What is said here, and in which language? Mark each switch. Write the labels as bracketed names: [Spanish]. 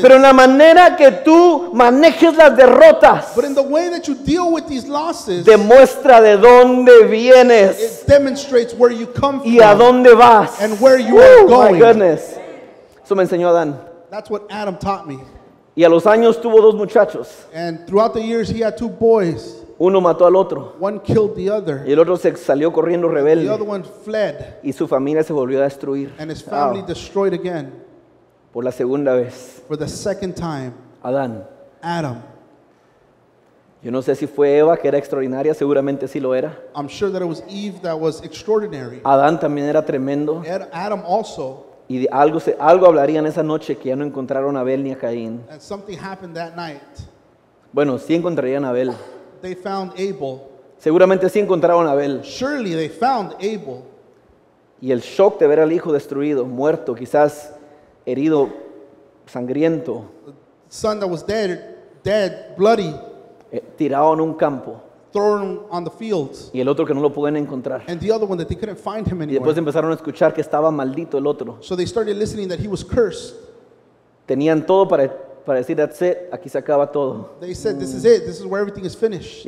[Spanish] Pero en la manera que tú manejes las derrotas, [English] but in the way that you deal with these losses, [Spanish] demuestra de dónde vienes, [English] it demonstrates where you come from, [Spanish] y a dónde vas, [English] and where you are going. My goodness. [Spanish] Eso me enseñó Adán. [English] That's what Adam taught me. [Spanish] Y a los años tuvo dos muchachos. [English] And throughout the years he had two boys. [Spanish] Uno mató al otro. [English] One killed the other. [Spanish] Y el otro se salió corriendo rebelde. [English] The other one fled. [Spanish] Y su familia se volvió a destruir. [English] And his family destroyed again. [Spanish] Por la segunda vez. [English] For the second time. [Spanish] Adán. [English] Adam. [Spanish] Yo no sé si fue Eva que era extraordinaria, seguramente sí lo era. [English] I'm sure that it was Eve that was extraordinary. [Spanish] Adán también era tremendo. [English] Adam also. [Spanish] Y algo hablarían esa noche que ya no encontraron a Abel ni a Caín. [English] And something happened that night. [Spanish] Bueno, sí encontrarían a Abel. [English] They found Abel. [Spanish] Seguramente sí encontraron a Abel. [English] Surely they found Abel. [Spanish] Y el shock de ver al hijo destruido, muerto, quizás herido, sangriento. [English] Son that was dead, bloody. [Spanish] Tirado en un campo. [English] Thrown on the fields. [Spanish] Y el otro que no lo pueden encontrar. [English] And the other one that they couldn't find him anywhere. [Spanish] Y después empezaron a escuchar que estaba maldito el otro. [English] So they started listening that he was cursed. [Spanish] Tenían todo para decir, [English] that's it, [Spanish] aquí se acaba todo. [English] They said, this is it, this is where everything is finished.